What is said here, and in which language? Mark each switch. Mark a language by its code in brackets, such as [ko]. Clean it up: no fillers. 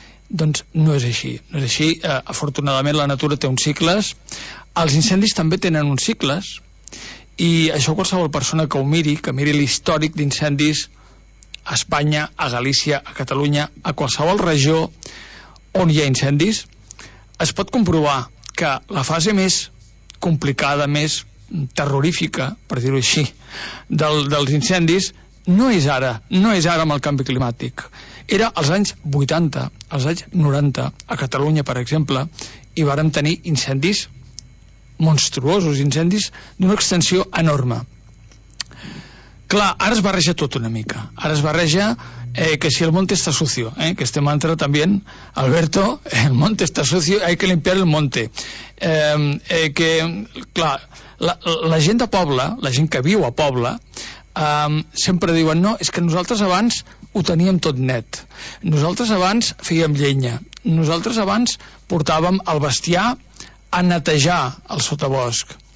[ca] Doncs no és així, no és així. Afortunadament la natura té uns cicles, els incendis també tenen uns cicles, i això qualsevol persona que ho miri, que miri l'històric d'incendis a Espanya, a Galícia, a Catalunya, a qualsevol regió on hi ha incendis, es pot comprovar que la fase més complicada, més terrorífica, per dir-ho així, dels incendis, no és ara amb el canvi climàtic. Era als anys 80, als anys 90, a Catalunya, per exemple, i vàrem tenir incendis monstruosos, incendis d'una extensió enorme. Clar, ara es barreja tot una mica. Ara es barreja [es] que si el monte está sucio, que este mantra también, Alberto, el monte está sucio, hay que limpiar el monte. [ca] Que, clar, la gent de poble, la gent que viu a poble, sempre diuen, no, és que nosaltres abans ho teníem tot net. Nosaltres abans fèiem llenya. Nosaltres abans portàvem el bestiar a netejar el sotabosc.